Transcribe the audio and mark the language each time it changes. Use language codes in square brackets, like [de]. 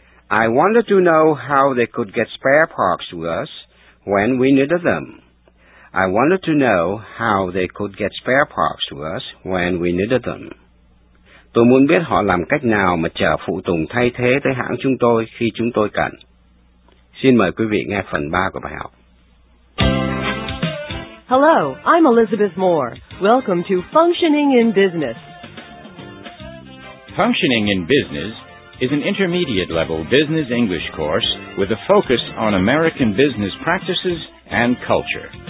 [en] I wanted to know how they could get spare parts to us when we needed them. I wanted to know how they could get spare parts to us when we needed them. [vi] Tôi muốn biết họ làm cách nào mà chở phụ tùng thay thế tới hãng chúng tôi khi chúng tôi cần. Xin mời quý vị nghe phần 3 của bài học. [en] Hello, I'm Elizabeth Moore. Welcome to Functioning in Business. Functioning in Business is an intermediate level business English course with a focus on American business practices and culture.